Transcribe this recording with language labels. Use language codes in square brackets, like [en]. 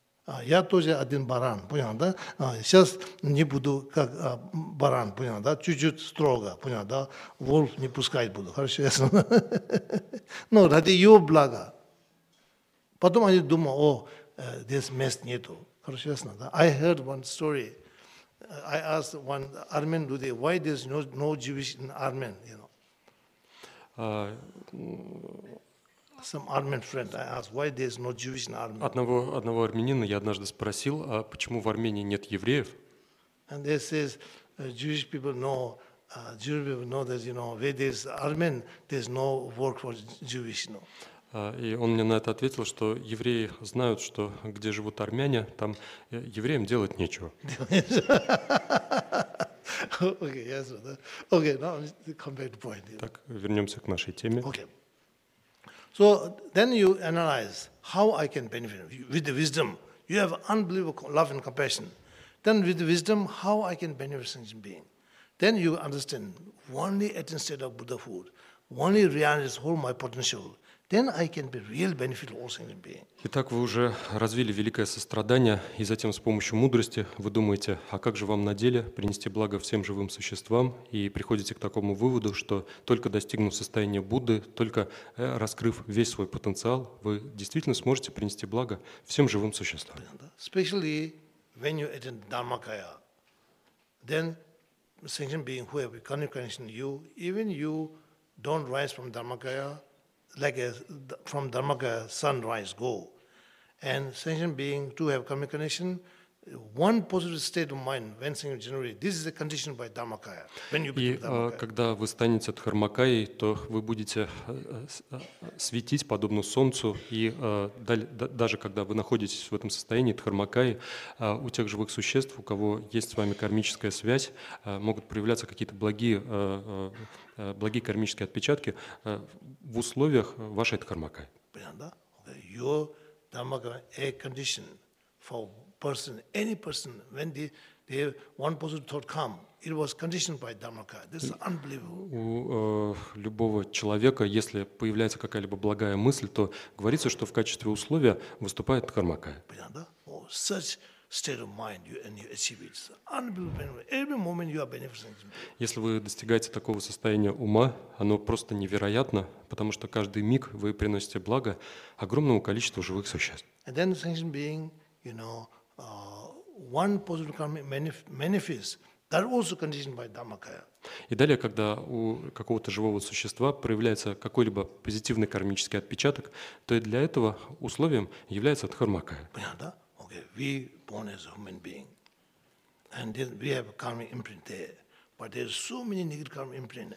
[ru] А я тоже один баран, понял, да? А сейчас не буду как баран, понял, да? Чуть-чуть строго, понял, да? Волк не пускать буду, хорошо, ясно? Ну, ради его блага. Потом они думают, о, здесь мест нету. Хорошо, ясно, да? [en] I heard one story. I asked one Armen today, why there's no Jewish in Armen, you know? Some Armen friend, I asked, why there's no Jewish in Armen? [ru] Одного армянина я однажды спросил, а почему в Армении нет евреев? [en] And they say, Jewish people know, Jewish people know that, you know, where there's Armen, there's no work for Jewish, you know. [ru] И он мне на это ответил, что евреи знают, что где живут армяне, там евреям делать нечего. [en] Okay, yes, okay, now come back to point. [ru] Так, вернемся к нашей теме. [en] Okay. So then you analyze how I can benefit with the wisdom. You have unbelievable love and compassion. Then with the wisdom, how I can benefit sentient being. Then you understand only attain state of Buddhahood, only realize all my potential. Then I can be real benefit all sentient being. [ru] Итак, вы уже развили великое сострадание, и затем с помощью мудрости вы думаете, а как же вам на деле принести благо всем живым существам, и приходите к такому выводу, что только достигнув состояния Будды, только раскрыв весь свой потенциал, вы действительно сможете принести благо всем живым существам. [en] Especially when you attend Dharmakaya, then sentient being who have a connection you, even you don't rise from Dharmakaya, like from Dharmakaya sunrise go. And sentient being to have karmic condition, one positive state of mind when sentient generated, this is a condition by Dharmakaya. When you become Dharmakaya. [ru] И когда вы станете Дхармакайей, то вы будете светить подобно солнцу, и даже когда вы находитесь в этом состоянии Дхармакайи, у тех живых существ, у кого есть с вами кармическая связь, могут проявляться какие-то благие кармические отпечатки в условиях вашей Дхармакайи. Понятно? [en] Dharmakaya, a condition for person, any person, when the one positive thought come, it was conditioned by Dharmakaya. This is unbelievable. [ru] У любого человека, если появляется какая-либо благая мысль, то говорится, что в качестве условия выступает Дхармакая. Понятно, да? [en] Such state of mind, you achieve it. It's unbelievable. Every moment you are benefiting. [ru] Если вы достигаете такого состояния ума, оно просто невероятно, потому что каждый миг вы приносите благо огромному количеству живых существ. [en] And then sentient being, you know, one positive karma manifests, that also conditioned by Dharmakaya. [ru] И далее, когда у какого-то живого существа проявляется какой-либо позитивный кармический отпечаток, то и для этого условием является Дхармакая. Понятно, да? [en] We born as a human being, and then we have a karma imprint there. But there are so many negative karma imprints.